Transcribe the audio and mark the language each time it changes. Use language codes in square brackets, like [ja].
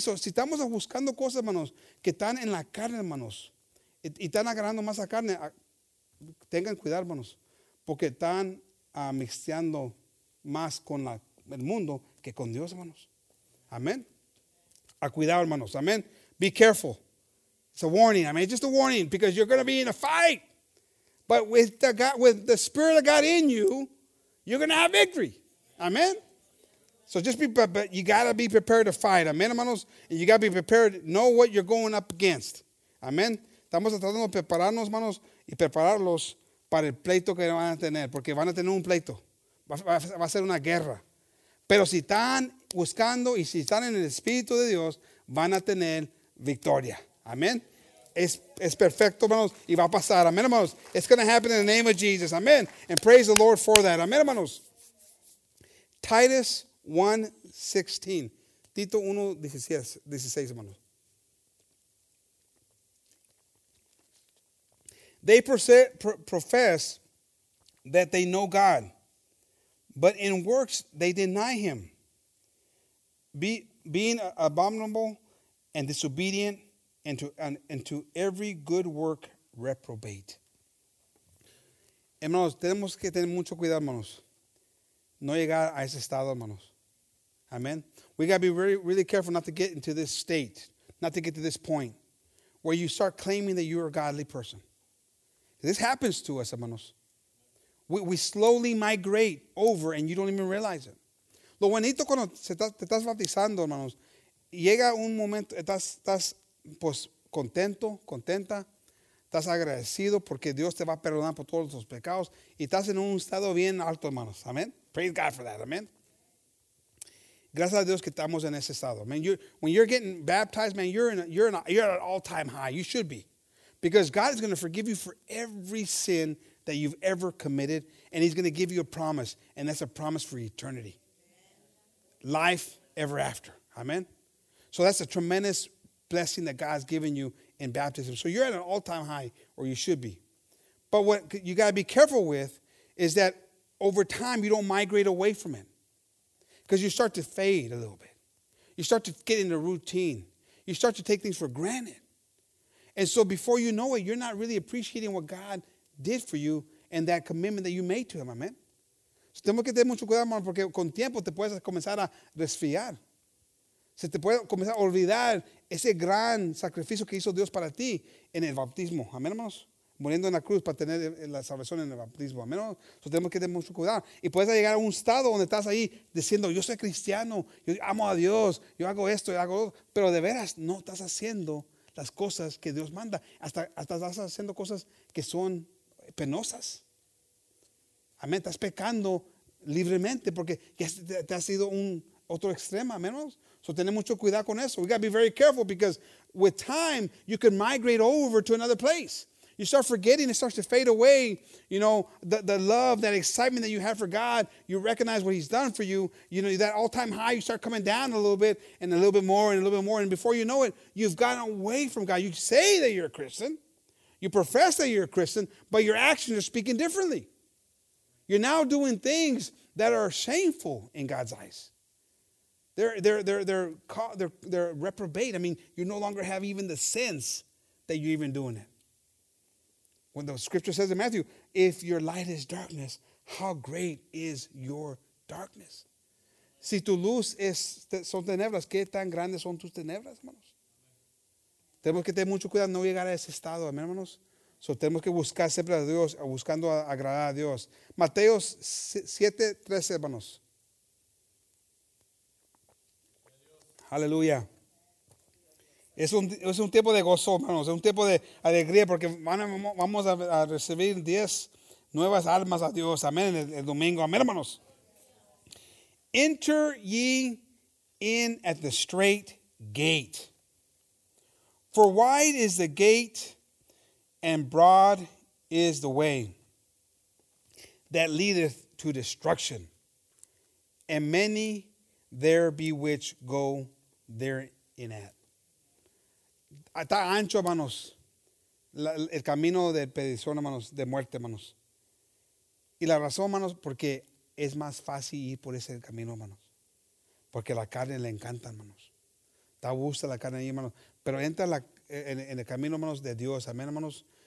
[es] So, si estamos buscando cosas, hermanos, que están en la carne, hermanos, y están agarrando más a carne, tengan cuidado, hermanos, porque están mixteando más con el mundo que con Dios, hermanos. Amén. A cuidado, hermanos. Amén. [en] Be careful. It's a warning. I mean, it's just a warning because you're going to be in a fight. But with the Spirit of God in you, you're going to have victory. Amén. So just be, but you got to be prepared to fight. [es] Amén, hermanos. [en] And you got to be prepared to know what you're going up against. [es] Amén. Estamos tratando de prepararnos, hermanos, y prepararlos para el pleito que van a tener, porque van a tener un pleito. Va a ser una guerra. Pero si están buscando y si están en el Espíritu de Dios, van a tener victoria. Amén. Es perfecto, hermanos, y va a pasar. Amén, hermanos. [en] It's going to happen in the name of Jesus. Amén. And praise the Lord for that. [es] Amén, hermanos. [en] Titus 1:16. [es] Tito 1:16, hermanos. [en] They profess that they know God, but in works they deny him, being abominable and disobedient and to every good work reprobate. [es] Hermanos, tenemos que tener mucho cuidado, hermanos. No llegar a ese estado, hermanos. Amen. [en] We got to be really, really careful not to get into this state, not to get to this point where you start claiming that you are a godly person. This happens to us, hermanos. We slowly migrate over and you don't even realize it. [es] Lo bonito cuando te estás bautizando, hermanos, llega un momento, estás pues contento, contenta, estás agradecido porque Dios te va a perdonar por todos tus pecados y estás en un estado bien alto, hermanos. Amen. [en] Praise God for that. [es] Amen. Gracias a Dios que estamos en ese estado. [en] Man, when you're getting baptized, man, you're at an all-time high. You should be. Because God is going to forgive you for every sin that you've ever committed. And he's going to give you a promise. And that's a promise for eternity. Life ever after. Amen. So that's a tremendous blessing that God's given you in baptism. So you're at an all-time high, or you should be. But what you got to be careful with is that over time, you don't migrate away from it. Because you start to fade a little bit. You start to get into routine. You start to take things for granted. And so before you know it, you're not really appreciating what God did for you and that commitment that you made to him. Amen. [es] So tenemos que tener mucho cuidado, hermano, porque con tiempo te puedes comenzar a desfiar. Se te puede comenzar a olvidar ese gran sacrificio que hizo Dios para ti en el bautismo. Amén, hermanos. Muriendo en la cruz para tener la salvación en el bautismo. Amén. Entonces tenemos que tener mucho cuidado. Y puedes llegar a un estado donde estás ahí diciendo, yo soy cristiano, yo amo a Dios, yo hago esto, yo hago otro. Pero de veras no estás haciendo las cosas que Dios manda. Hasta estás haciendo cosas que son penosas. Amén. Estás pecando libremente porque ya te has ido un otro extremo. Amén. So tener mucho cuidado con eso. [en] We got to be very careful because with time you can migrate over to another place. You start forgetting, it starts to fade away, you know, the love, that excitement that you have for God, you recognize what he's done for you, you know, that all-time high, you start coming down a little bit, and a little bit more, and a little bit more, and before you know it, you've gotten away from God. You say that you're a Christian, you profess that you're a Christian, but your actions are speaking differently. You're now doing things that are shameful in God's eyes. They're reprobate. I mean, you no longer have even the sense that you're even doing it. When the scripture says in Matthew, if your light is darkness, how great is your darkness? [es] Si tu luz son tenebras, ¿qué tan grandes son tus tenebras, hermanos? Tenemos que tener mucho cuidado no llegar a ese estado, amén, hermanos. So, tenemos que buscar siempre a Dios, buscando agradar a Dios. Mateo 7, 13, hermanos. Aleluya. Es un tiempo de gozo, hermanos. Es un tiempo de alegría porque vamos a recibir 10 nuevas almas a Dios. Amén. El domingo. Amén, hermanos. [en] Enter ye in at the straight gate. For wide is the gate and broad is the way that leadeth to destruction. And many there be which go therein at. [es] Está ancho, hermanos, el camino de perdición, hermanos, de muerte, hermanos. Y la razón, hermanos, porque es más fácil ir por ese camino, hermanos. Porque la carne le encanta, hermanos. Está a gusto la carne ahí, hermanos. Pero entra en el camino, hermanos, de Dios, amén, hermanos.